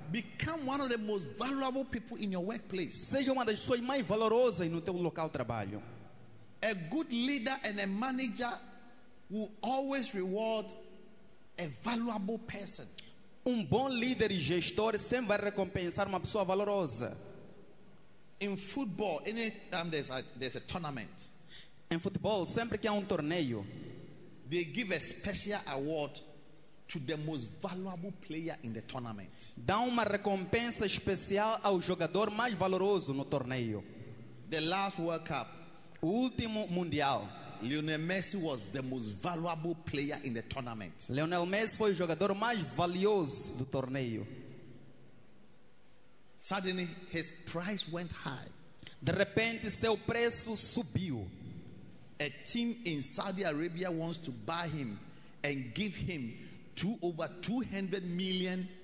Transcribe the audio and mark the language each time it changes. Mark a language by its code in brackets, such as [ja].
[en] become one of the most valuable people in your workplace. [pt] Seja uma das pessoas mais valorosas no teu local de trabalho. [en] A good leader and a manager will always reward a valuable person. [pt] Bom líder e gestor sempre vai recompensar uma pessoa valorosa. [en] In football, anytime there's a tournament. [pt] Em futebol, sempre que há torneio, [en] they give a special award to the most valuable player in the tournament. [pt] Dá uma recompensa especial ao jogador mais valoroso no torneio. [en] The last World Cup. [pt] O último mundial. [en] Lionel Messi was the most valuable player in the tournament. [pt] Lionel Messi foi o jogador mais valioso do torneio. [en] Suddenly his price went high. [pt] De repente seu preço subiu. [en] A team in Saudi Arabia wants to buy him and give him over 200 million